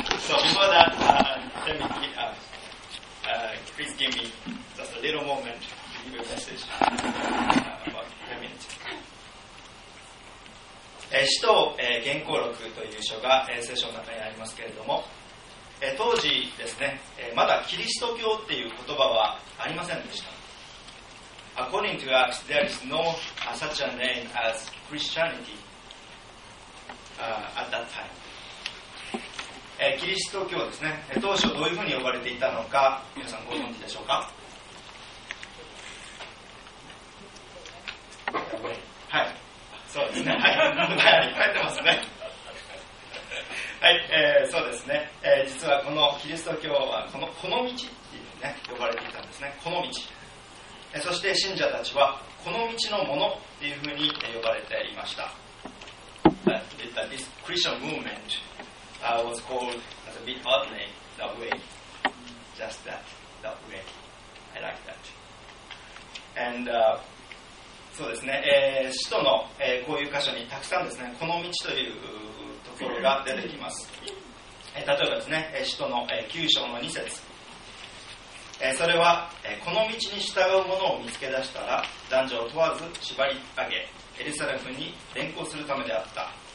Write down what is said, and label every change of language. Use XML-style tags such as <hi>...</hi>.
<en>So before that, please give me just a little moment to give you a message about feminism.</en> <ja>使徒言行録という書が聖書の中にありますけれども、当時ですね、まだキリスト教っていう言葉はありませんでした。</ja> <en>According to Acts, there is no such a name as Christianity at that time.</en> <ja>キリスト教ですね、当初どういうふうに呼ばれていたのか、皆さんご存知でしょうか？はい、そうですね、はい、いっぱい入ってますね。はい、そうですね、実はこのキリスト教はこの道っていうね呼ばれていたんですね。この道、そして信者たちはこの道のものっていうふうに呼ばれていました。</ja> <en>This Christian movement was called as a bit odd name, the way, just that, the way, I like that.</en> <ja>And、そうですね、使徒の、こういう箇所にたくさんですね、この道というところが出てきます。例えばですね、使徒の9章の2節、それはこの道に従う者を見つけ出したら男女を問わず縛り上げエルサレムに連行するためであった。</ja>